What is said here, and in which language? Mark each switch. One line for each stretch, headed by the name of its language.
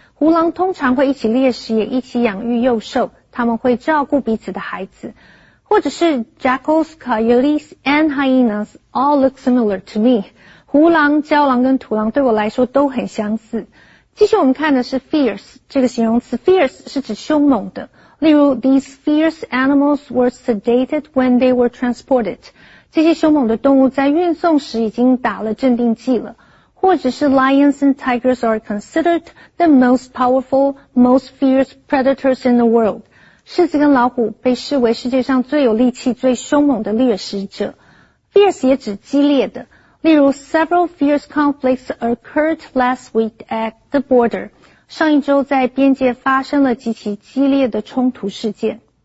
Chinese: 狐狼通常会一起猎食也一起养育幼兽。他们会照顾彼此的孩子。或者是
English: jackals, coyotes, and hyenas all look similar to me.
Chinese: 狐狼、郊狼跟土狼对我来说都很相似。继续我们看的是 fierce, 这个形容词 fierce 是指凶猛的。例如
English: these fierce animals were sedated when they were transported.
Chinese: 这些凶猛的动物在运送时已经打了镇定剂了。或者是
English: lions and tigers are considered the most powerful, most fierce predators in the world.
Chinese: 狮子跟老虎被视为世界上最有力气、最凶猛的猎食者。 fierce 也指激烈的。例如
English: several fierce conflicts occurred last week at the border.
Chinese: 上一周在边界发生了极其激烈的冲突事件。